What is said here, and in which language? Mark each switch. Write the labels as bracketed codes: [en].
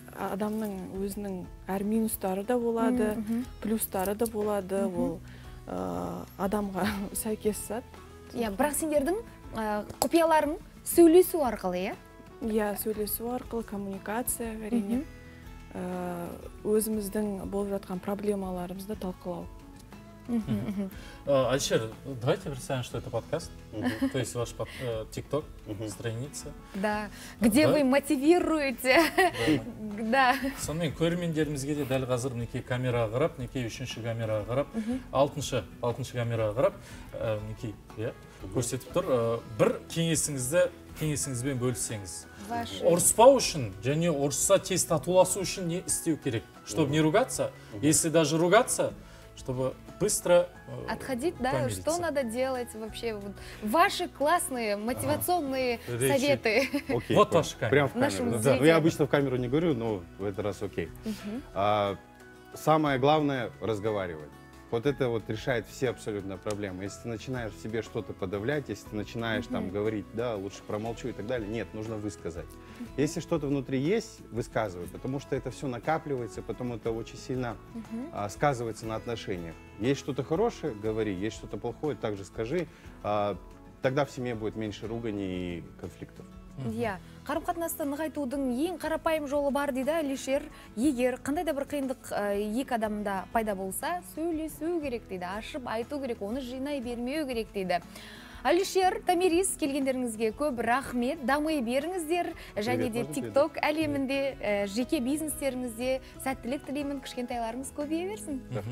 [kk] Адамның өзінің әр минустары да болады, плюстары да болады, ол адамға сәйкес сат. Бірақ сендердің құпияларың сөйлесу арқылы, е? Иә, сөйлесу арқылы, коммуникация, әрине. Өзіміздің болып жатқан проблемаларымызды талқылау. [ru] Алишер, давайте представим, что это подкаст, то есть ваш ТикТок, страница. Да, где вы мотивируете. Да. [kk] Сонымен, көрермендерімізге де дәл қазір неке камера ағырап, неке үшінші камера ағырап, алтыншы камера ағырап, неке, иә, көрсетіп тұр. Бір кеңесіңізбен бөлісеңіз. Ұрыспау үшін, және ұрысса тез татуласу үшін не істеу керек? [ru] Чтобы не ругаться, если даже ругаться, чтобы быстро отходить, да, помириться. Что надо делать вообще? Вот ваши классные мотивационные советы. Окей, вот ваша камера. Прямо в камеру. Да. Ну, я обычно в камеру не говорю, но в этот раз окей. Самое главное – разговаривать. Вот это вот решает все абсолютно проблемы. Если ты начинаешь в себе что-то подавлять, если ты начинаешь там говорить, да, лучше промолчу и так далее. Нет, нужно высказать. Если что-то внутри есть, высказывай, потому что это все накапливается, потом это очень сильно сказывается на отношениях. Есть что-то хорошее, говори, есть что-то плохое, также скажи, тогда в семье будет меньше руганий и конфликтов. [kk] Қарым-қатынасты нығайтудың ең қарапайым жолы бар дейді Алишер. Егер қандай да бір қиындық екі адамда пайда болса, сөйлесу керек дейді, ашып айту керек, оны жинай бермеу керек дейді. Алишер, Тамирис, келгендеріңізге көп рахмет, дамы беріңіздер, және де ТикТок әлемінде, жеке бизнестеріңізде сәттілік тілеймін, кішкентайларыңыз көбейе берсін.